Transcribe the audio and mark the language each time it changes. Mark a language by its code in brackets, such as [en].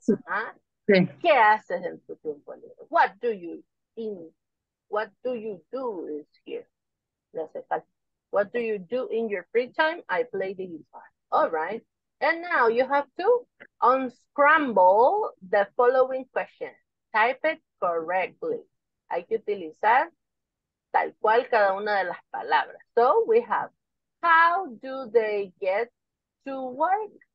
[es] Sí. ¿Qué haces en tu tiempo libre? [en] What do you in? What do you do is here? What do you do in your free time? I play the guitar. All right. And now you have to unscramble the following question. Type it correctly. [es] Hay que utilizar tal cual cada una de las palabras. [en] So we have, how do they get to work?